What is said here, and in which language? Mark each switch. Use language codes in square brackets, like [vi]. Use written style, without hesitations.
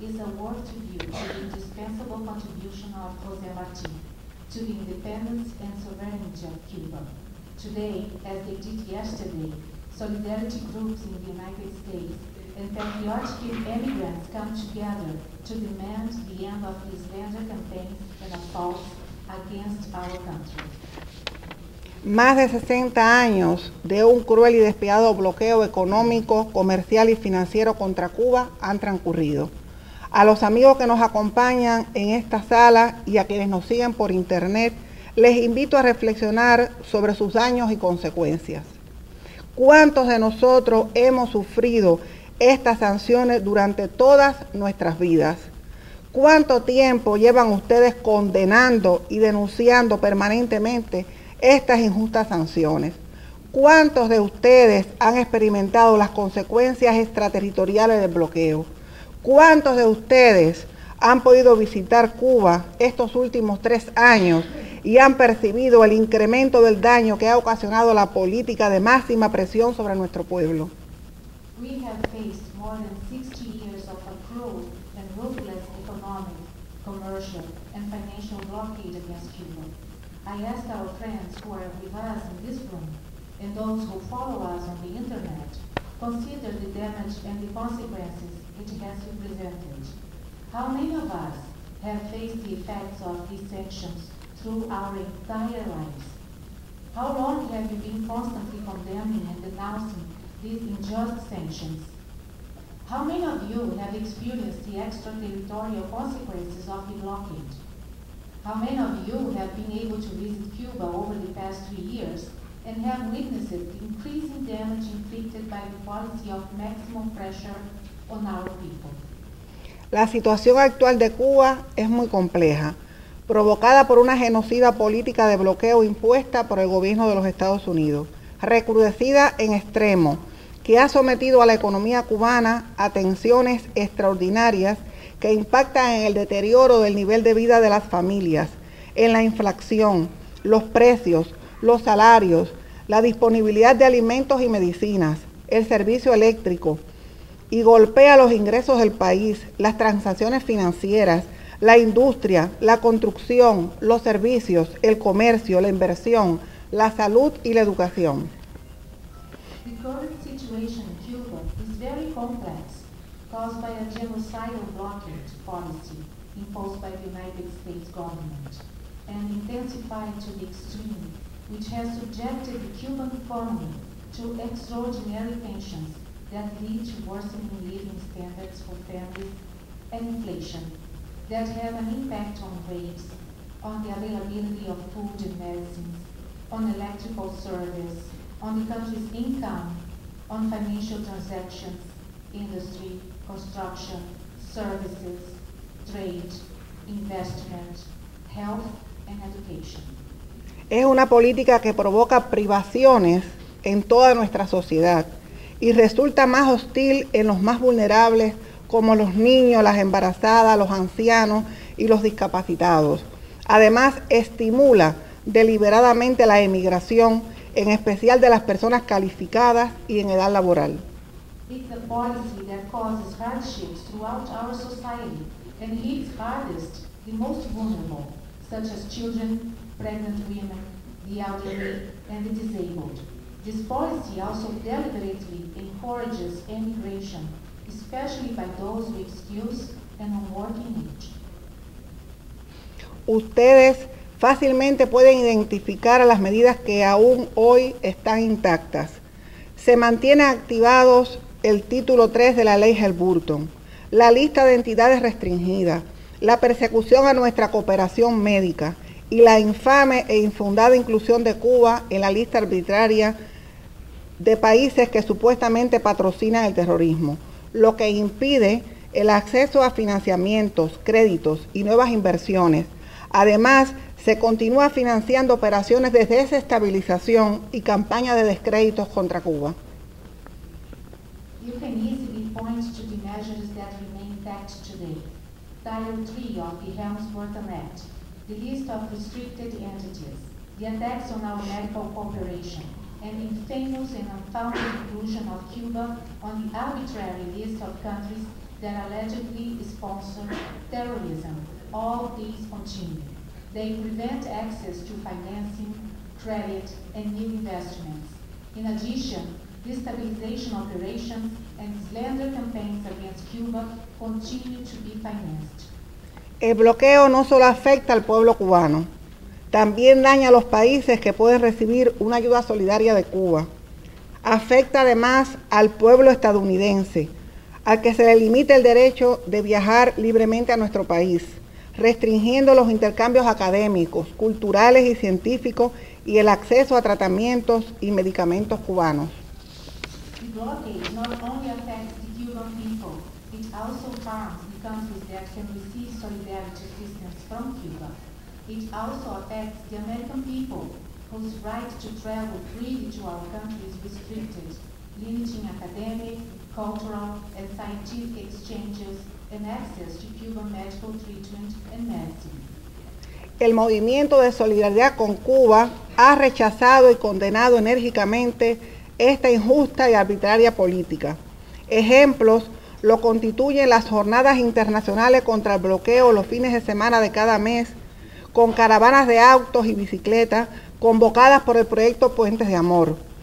[en] is a word to you for the indispensable contribution of Jose Martí to the independence and sovereignty of Cuba. Today, as they did yesterday, solidarity groups in the United States and patriotic immigrants come together to demand the end of his slander campaigns and assaults against our country. [es] Más de 60 años de un cruel y despiadado bloqueo económico, comercial y financiero contra Cuba han transcurrido. A los amigos que nos acompañan en esta sala y a quienes nos siguen por internet, les invito a reflexionar sobre sus daños y consecuencias. ¿Cuántos de nosotros hemos sufrido estas sanciones durante todas nuestras vidas? ¿Cuánto tiempo llevan ustedes condenando y denunciando permanentemente estas injustas sanciones? ¿Cuántos de ustedes han experimentado las consecuencias extraterritoriales del bloqueo? ¿Cuántos de ustedes han podido visitar Cuba estos últimos 3 años y han percibido el incremento del daño que ha ocasionado la política de máxima presión sobre nuestro pueblo? [en] We have faced more than 60 years of a cruel and ruthless economic, commercial, and financial blockade against Cuba. I ask our friends who are with us in this room and those who follow us on the internet, consider the damage and the consequences it has represented. How many of us have faced the effects of these sanctions through our entire lives? How long have you been constantly condemning and denouncing these unjust sanctions? How many of you have experienced the extraterritorial consequences of the blockade? How many of you have been able to visit Cuba over the past 3 years and have witnessed the increasing damage inflicted by the policy of maximum pressure on our people? [es] La situación actual de Cuba es muy compleja, provocada por una genocida política de bloqueo impuesta por el gobierno de los Estados Unidos, recrudecida en extremo, que ha sometido a la economía cubana a tensiones extraordinarias que impactan en el deterioro del nivel de vida de las familias, en la inflación, los precios, los salarios, la disponibilidad de alimentos y medicinas, el servicio eléctrico, y golpea los ingresos del país, las transacciones financieras, la industria, la construcción, los servicios, el comercio, la inversión, la salud y la educación. [en] The current situation in Cuba is very complex, caused by a genocidal blockade policy imposed by the United States government and intensified to the extreme, which has subjected the Cuban economy to extraordinary tensions that lead to worsening living standards for families and inflation that have an impact on wages, on the availability of food and medicines, on electrical service, on the country's income, on financial transactions, industry, construction, services, trade, investment, health, and education. [es] Es una política que provoca privaciones en toda nuestra sociedad y resulta más hostil en los más vulnerables como los niños, las embarazadas, los ancianos y los discapacitados. Además, estimula deliberadamente la emigración, en especial de las personas calificadas y en edad laboral. [en] It's a policy that causes hardships throughout our society and hits hardest the most vulnerable, such as children, pregnant women, the elderly, and the disabled. This policy also deliberately encourages emigration, especially by those with skills and on working age. [es] Ustedes fácilmente pueden identificar a las medidas que aún hoy están intactas. Se mantienen activados el título 3 de la ley Helburton, la lista de entidades restringidas, la persecución a nuestra cooperación médica y la infame e infundada inclusión de Cuba en la lista arbitraria de países que supuestamente patrocinan el terrorismo, lo que impide el acceso a financiamientos, créditos y nuevas inversiones. Además, se continúa financiando operaciones de desestabilización y campañas de descréditos contra Cuba. [en] You can easily point to the measures that remain intact today. Title 3 of the Helms-Burton Act, the list of restricted entities, the attacks on our medical cooperation, and the infamous and unfounded inclusion of Cuba on the arbitrary list of countries that allegedly sponsor terrorism, all these on Chile. They prevent access to financing, credit, and new investments. In addition, destabilization operations and slander campaigns against Cuba continue to be financed. [es] El bloqueo no solo afecta al pueblo cubano, también daña a los países que pueden recibir una ayuda solidaria de Cuba. Afecta además al pueblo estadounidense, al que se le limita el derecho de viajar libremente a nuestro país, restringiendo los intercambios académicos, culturales y científicos y el acceso a tratamientos y medicamentos cubanos. [en] The blockade not only affects the Cuban people, it also harms the countries that can receive solidarity assistance from Cuba. It also affects the American people, whose right to travel freely to our country is restricted, limiting academic, cultural, and scientific exchanges and access to Cuban medical treatment and medicine. [es] El movimiento de solidaridad con Cuba ha rechazado y condenado enérgicamente esta injusta y arbitraria política. Ejemplos lo constituyen las jornadas internacionales contra el bloqueo los fines de semana de cada mes, con caravanas de autos y bicicletas convocadas por el proyecto Puentes de Amor,